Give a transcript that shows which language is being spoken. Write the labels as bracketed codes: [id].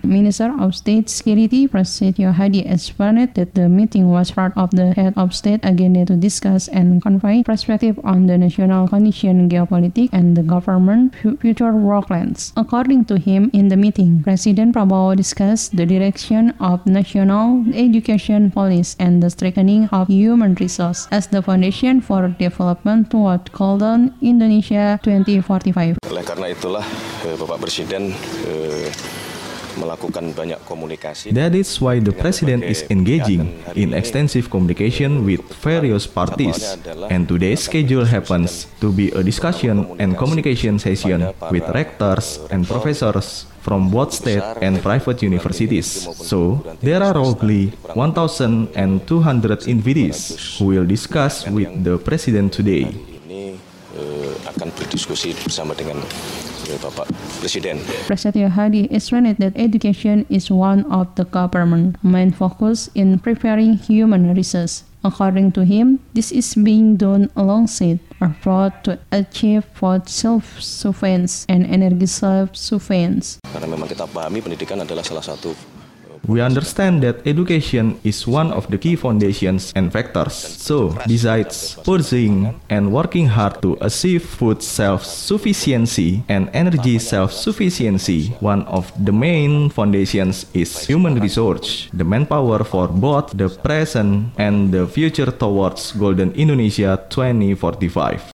[en] Minister of State Security Prasetyo Hadi explained that the meeting was part of the head of state agenda to discuss and convey perspective on the national condition, geopolitics, and the government future work plans. According to him, in the meeting, President Prabowo discussed the direction of national education policy and the strengthening of human resources as the foundation for development toward Golden Indonesia 2045. [id] Oleh karena itulah Bapak Presiden melakukan banyak komunikasi. [en] That is why the President is engaging in extensive communication with various parties, and today's schedule happens to be a discussion and communication session with rectors and professors from both state and private universities. So, there are roughly 1,200 invitees who will discuss with the President today. [id] Akan berdiskusi bersama dengan Bapak Presiden. [en] Prasetyo Hadi explained that education is one of the government's main focus in preparing human resources. According to him, this is being done alongside a effort to achieve food self-sufficiency and energy self-sufficiency. [id] Karena memang kita pahami pendidikan adalah salah satu. [en] We understand that education is one of the key foundations and factors. So, besides pursuing and working hard to achieve food self-sufficiency and energy self-sufficiency, one of the main foundations is human resource, the manpower for both the present and the future towards Golden Indonesia 2045.